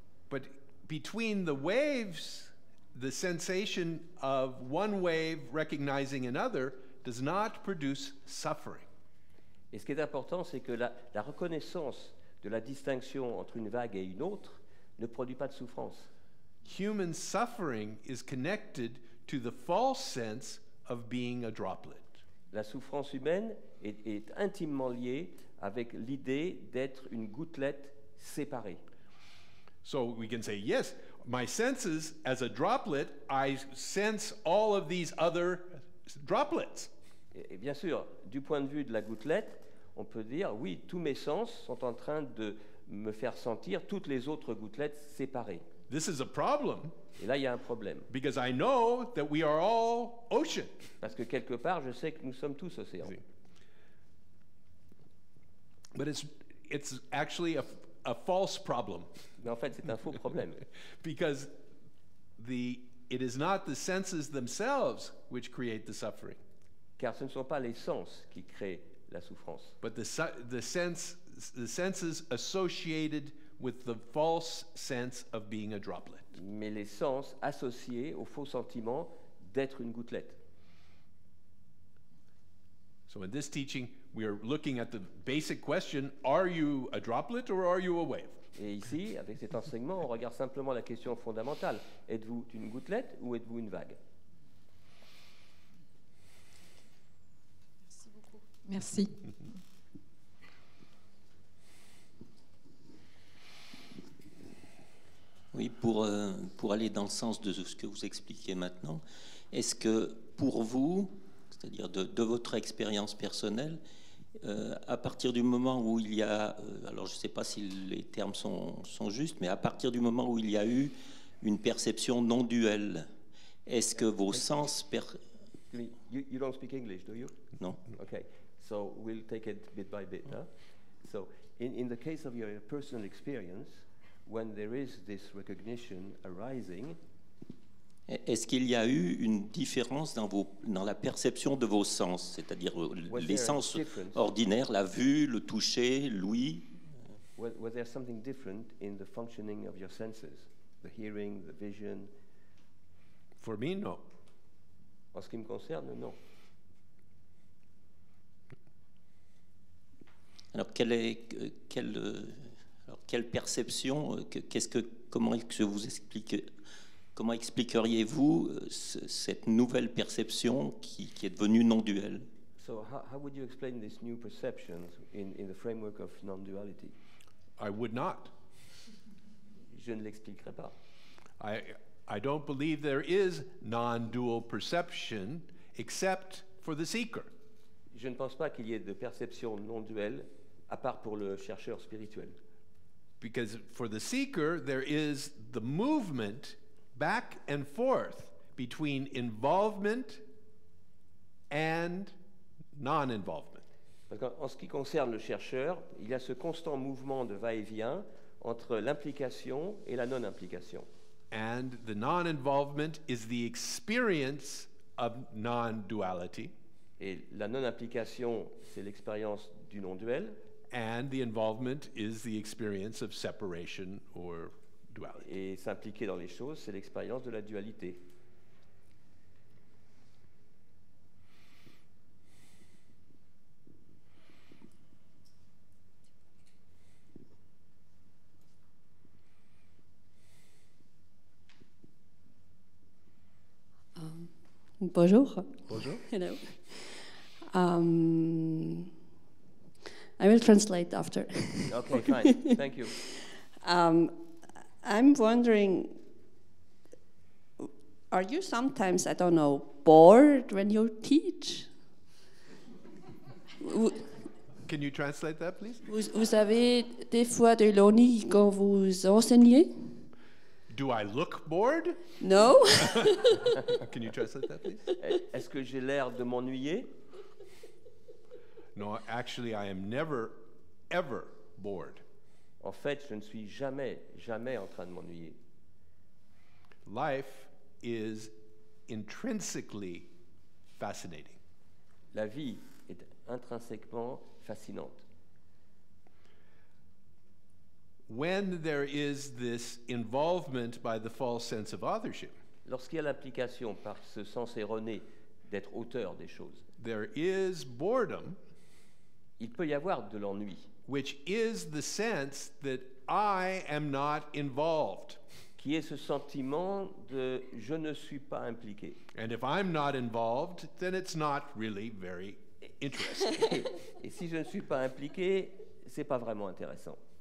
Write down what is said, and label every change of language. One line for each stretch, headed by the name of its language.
English: But between the waves, the sensation of one wave recognizing another does not produce suffering.
French: Et ce qui est important, c'est que la reconnaissance de la distinction entre une vague et une autre ne produit pas de souffrance.
English: Human suffering is connected to the false sense of being a droplet.
French: La souffrance humaine est intimement liée avec l'idée d'être une gouttelette séparée.
English: So we can say, yes, my senses as a droplet, I sense all of these other droplets.
French: Et bien sûr, du point de vue de la gouttelette, on peut dire, oui, tous mes sens sont en train de me faire sentir toutes les autres gouttelettes séparées.
English: This is a problem.
French: Et là, il y a un problème.
English: Because I know that we are all ocean.
French: Parce que quelque part, je sais que nous sommes tous océans.
English: See. But it's actually a false problem.
French: Mais en fait, c'est un faux problème.
English: Because it is not the senses themselves which create the suffering.
French: Car ce ne sont pas les sens qui créent la souffrance.
English: But the senses associated with the false sense of being a droplet.
French: Mais les sens associés au faux sentiment d'être une gouttelette.
English: So in this teaching, we are looking at the basic question, are you a droplet or are you a wave?
French: Et ici, avec cet enseignement, on regarde simplement la question fondamentale. Êtes-vous une gouttelette ou êtes-vous une vague? Merci beaucoup. Merci. Oui, pour aller dans le sens de ce que vous expliquez maintenant, est-ce que pour vous, c'est-à-dire de votre expérience personnelle, à partir du moment où il y a, alors je ne sais pas si les termes sont justes, mais à partir du moment où il y a eu une perception non duelle, est-ce que vos sens...
English: You don't speak English, do you? No. Okay, so we'll take it bit by bit. Huh? So in the case of your personal experience, when there is this recognition arising,
French: est-ce qu'il y a eu une différence dans la perception de vos sens, c'est-à-dire les sens ordinaires, la vue, le toucher, l'ouïe?
English: Was there something different in the functioning of your senses, the hearing, the vision? For me, no.
French: En ce qui me concerne, non. Alors, quelle perception, comment expliqueriez-vous cette nouvelle perception qui est devenue non-duelle?
English: So how would you explain this new perception in the framework of non-duality? I would not.
French: Je ne l'expliquerai pas.
English: I don't believe there is non-dual perception except for the seeker.
French: Je ne pense pas qu'il y ait de perception non-duelle à part pour le chercheur spirituel.
English: Because for the seeker, there is the movement back and forth between involvement and non-involvement.
French: Parce qu'en ce qui concerne le chercheur, il y a ce constant mouvement de va-et-vient entre l'implication et la non-implication.
English: and the non-involvement is the experience of non-duality.
French: Et la non-implication, c'est l'expérience du non-duel.
English: And the involvement is the experience of separation or duality.
French: Et s'impliquer dans les choses, c'est l'expérience de la dualité. Bonjour. Bonjour.
English: Hello. I will translate after. Okay, fine. Thank you. I'm wondering, are you sometimes, I don't know, bored when you teach? Can you translate that, please?
French: Vous avez des fois de l'ennui quand vous enseignez?
English: Do I look bored? No. Can you translate that, please?
French: Est-ce que j'ai l'air de m'ennuyer?
English: No, actually, I am never, ever bored.
French: En fait, je ne suis jamais, jamais en train de m'ennuyer.
English: Life is intrinsically fascinating.
French: La vie est intrinsèquement fascinante.
English: When there is this involvement by the false sense of authorship,
French: lorsqu'il y a l'implication par ce sens erroné d'être auteur des choses,
English: there is boredom,
French: il peut y avoir de l'ennui,
English: which is the sense that I am not involved,
French: qui est ce sentiment de je ne suis pas impliqué.
English: And if I'm not involved, then it's not really very interesting.
French: Et si je ne suis pas impliqué, c'est pas vraiment intéressant.